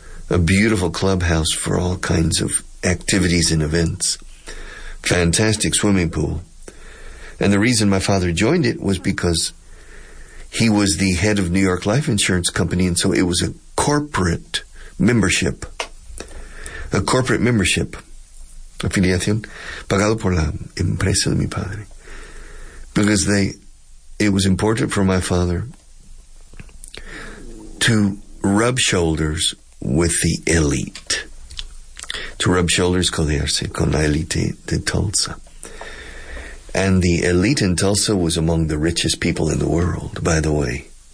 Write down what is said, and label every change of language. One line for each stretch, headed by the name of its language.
English: A beautiful clubhouse for all kinds of activities and events. Fantastic swimming pool. And the reason my father joined it was because he was the head of New York Life Insurance Company, and so it was a corporate membership. A corporate membership.
Spanish: Afiliación pagado por la empresa de mi padre.
English: Because it was important for my father to rub shoulders with the elite. To rub shoulders,
Spanish: codearse con la elite de Tulsa.
English: And the elite in Tulsa was among the richest people in the world, by the way.